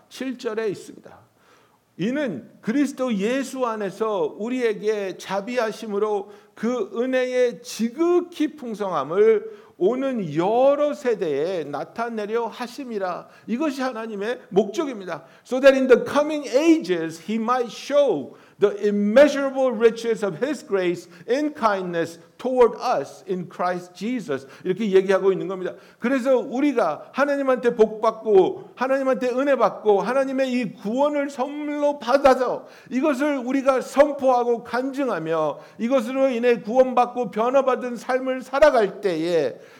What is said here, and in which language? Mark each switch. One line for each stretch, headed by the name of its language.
Korean: 7절에 있습니다. 이는 그리스도 예수 안에서 우리에게 자비하심으로 그 은혜의 지극히 풍성함을 오는 여러 세대에 나타내려 하심이라. 이것이 하나님의 목적입니다.
English: So that in the coming ages he might show the immeasurable riches of his grace in kindness toward us in Christ Jesus.
Korean: 이렇게 얘기하고 있는 겁니다. 그래서 우리가 하나님한테 복받고 하나님한테 은혜 받고 하나님의 이 구원을 선물로 받아서 이것을 우리가 선포하고 간증하며 이것으로 인해 구원받고 변화받은 삶을 살아갈 때에